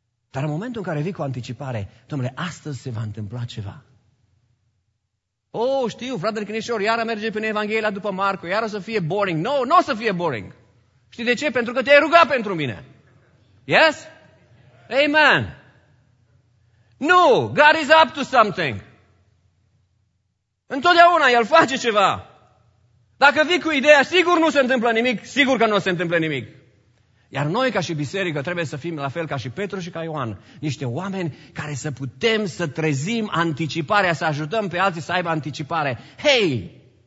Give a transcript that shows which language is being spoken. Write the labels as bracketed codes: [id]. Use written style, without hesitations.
[ro] Dar în momentul în care vii cu anticipare, domnule, astăzi se va întâmpla ceva. O, știu, frate Crineșor, iară merge prin Evanghelia după Marcu, iară o să fie boring. [en] No, [ro] nu o să fie boring. Știi de ce? Pentru că te-ai rugat pentru mine. [en] Yes? Amen. [ro] Nu, [en] God is up to something. [ro] Întotdeauna El face ceva. Dacă vii cu ideea, sigur nu se întâmplă nimic, sigur că nu se întâmplă nimic. Iar noi ca și biserică trebuie să fim la fel ca și Petru și ca Ioan. Niște oameni care să putem să trezim anticiparea, să ajutăm pe alții să aibă anticipare. Hei,